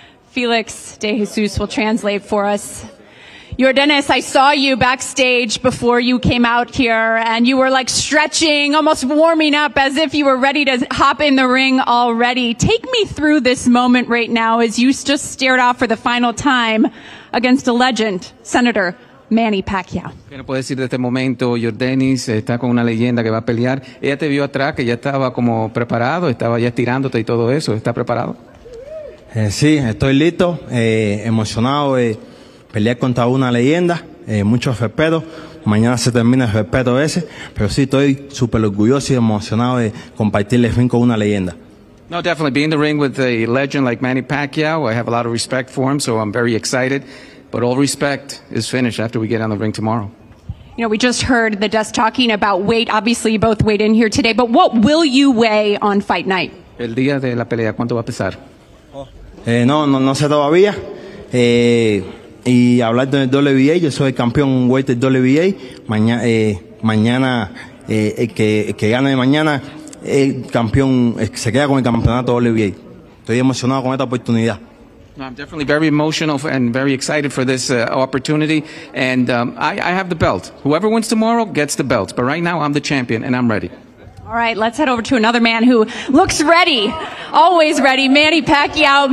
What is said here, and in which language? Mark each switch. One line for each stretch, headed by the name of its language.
English: Felix De Jesus will translate for us. Yordanis, I saw you backstage before you came out here, and you were like stretching, almost warming up as if you were ready to hop in the ring already. Take me through this moment right now as you just stared off for the final time against a legend, Senator Manny Pacquiao.
Spanish: ¿Qué nos puedes decir de este momento? Yordanis está con una leyenda que va a pelear. Ella te vio atrás, que ya estaba como preparado, estaba ya estirándote y todo eso. ¿Está preparado? Sí, estoy listo, emocionado. Pelear contra una leyenda, mucho respeto. Mañana se termina el respeto ese, pero sí, estoy súper orgulloso y emocionado de compartir el ring con una leyenda.
English: No, definitely. Being in the ring with a legend like Manny Pacquiao, I have a lot of respect for him, so I'm very excited. But all respect is finished after we get on the ring tomorrow. You know, we just heard the desk talking about weight. Obviously, you both weighed in here today. But what will you weigh on fight night?
Spanish: El día de la pelea, ¿cuánto va a pesar? No sé todavía. Y hablando del WBA, yo soy el campeón weight del WBA. Mañana, el que gane mañana, el campeón se queda con el campeonato WBA. Estoy emocionado con esta oportunidad.
English: I'm definitely very emotional and very excited for this opportunity, and I have the belt. Whoever wins tomorrow gets the belt, but right now I'm the champion, and I'm ready. All right, let's head over to another man who looks ready, always ready, Manny Pacquiao.